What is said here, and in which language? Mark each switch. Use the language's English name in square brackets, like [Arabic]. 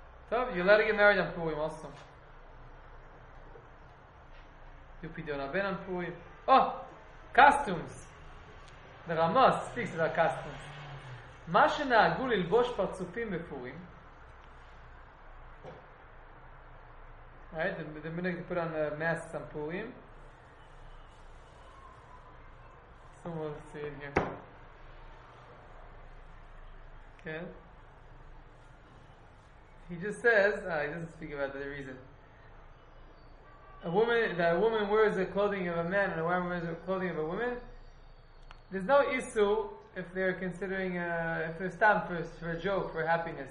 [English] So you're allowed to get married on Purim also. You put on a ben on Purim. Oh, costumes. The Rama speaks about costumes. [Hebrew] מה שנהגו ללבוש פרצופים בפורים? [English] Right, the minute you put on the masks on Purim. Someone will see it here. Okay. He just says, he doesn't speak about the reason. A woman wears the clothing of a man and a woman wears the clothing of a woman, there's no issue if they're considering if they're stamped for a joke, for happiness.